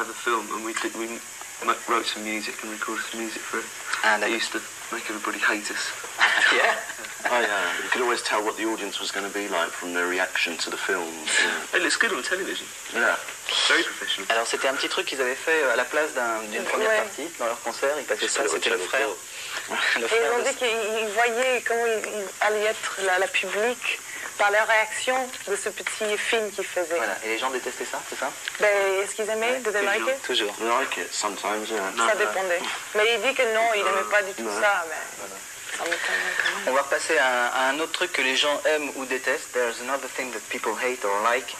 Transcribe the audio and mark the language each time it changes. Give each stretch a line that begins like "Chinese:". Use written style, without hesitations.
English: a film, and we wrote some music and recorded some music for it. And it used to make everybody hate us. Yeah? You could always tell what the audience was going to be like from their reaction to the film. It looks good on television. Yeah. Very professional.
French: Alors c'était un petit truc qu'ils avaient fait à la place d'une première partie dans leur concert. Ils passaient ça, c'était le frère. Et ils ont dit qu'ils voyaient comment allait être la public par la réaction de ce petit film qu'ils faisaient. Voilà, et les gens détestaient ça, c'est ça? Ben, est-ce qu'ils aimaient, ouais, de liker? Toujours.
English: They like it, sometimes, yeah.
French: Non, ça dépendait. Mais il dit que non, il n'aimait pas du tout ça. Mais... Voilà. On va repasser à un autre truc que les gens aiment ou détestent.
English: There's another thing that people hate or like.